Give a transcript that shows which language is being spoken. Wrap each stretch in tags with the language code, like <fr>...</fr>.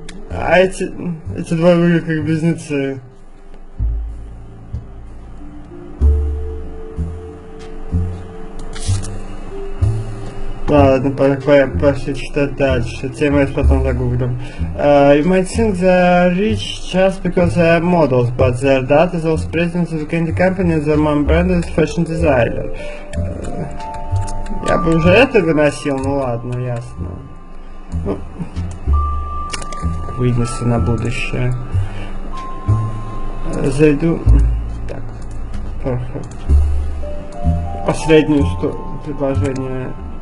<ru>А эти два выглядят как близнецы. Ладно, пошли читать дальше. Тему я потом загуглю.</ru> <en>You might think they're rich just because they're models, but their dad is also president of the candy company, and their mom brand is fashion designer.</en> <ru>Я бы уже это выносил, ну ладно, ясно. Вынесу на будущее. Зайду. Так.</ru> <en>Perfect.</en> <ru>Последнее что предложение.</ru>